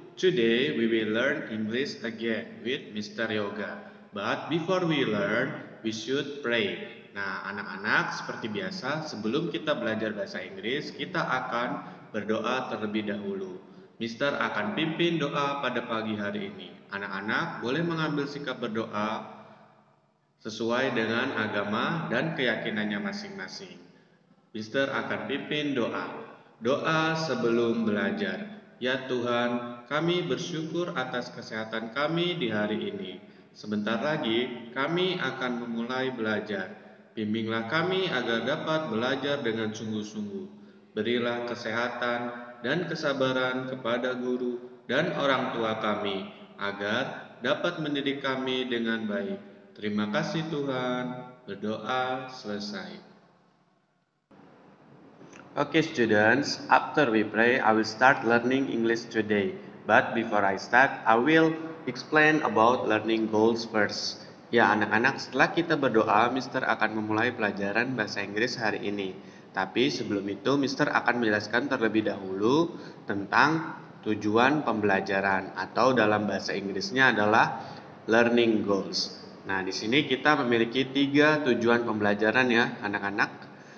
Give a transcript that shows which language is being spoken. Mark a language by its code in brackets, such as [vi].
[en] Today we will learn English again with Mr. Yoga. But before we learn, we should pray. [id] Nah, anak-anak, seperti biasa, sebelum kita belajar bahasa Inggris, kita akan berdoa terlebih dahulu. Mister akan pimpin doa pada pagi hari ini. Anak-anak, boleh mengambil sikap berdoa sesuai dengan agama dan keyakinannya masing-masing. Mister akan pimpin doa. Doa sebelum belajar. Ya Tuhan, kami bersyukur atas kesehatan kami di hari ini. Sebentar lagi, kami akan memulai belajar. Bimbinglah kami agar dapat belajar dengan sungguh-sungguh. Berilah kesehatan dan kesabaran kepada guru dan orang tua kami, agar dapat mendidik kami dengan baik. Terima kasih Tuhan. Berdoa selesai. [en] Okay students, after we pray, I will start learning English today. But before I start, I will explain about learning goals first. [id] Ya anak-anak, setelah kita berdoa, Mister akan memulai pelajaran bahasa Inggris hari ini. Tapi sebelum itu, Mister akan menjelaskan terlebih dahulu tentang tujuan pembelajaran atau dalam bahasa Inggrisnya adalah learning goals. Nah, di sini kita memiliki tiga tujuan pembelajaran ya anak-anak.